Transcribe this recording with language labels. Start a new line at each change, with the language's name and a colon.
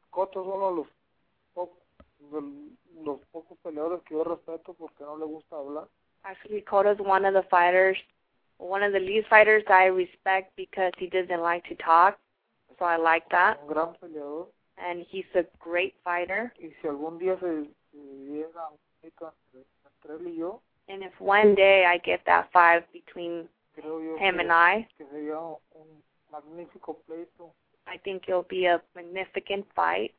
Spanish: Cotto es uno de los pocos peleadores que yo respeto porque no le gusta hablar.
English: Actually, Cotto is one of the fighters, one of the least fighters that I respect because he doesn't like to talk. So I like that.
Spanish: Un gran peleador.
English: And he's a great fighter.
Spanish: Y si algún día se llega a México entre él y yo.
English: And if one day I get that fight between him and I, I think it'll be a magnificent fight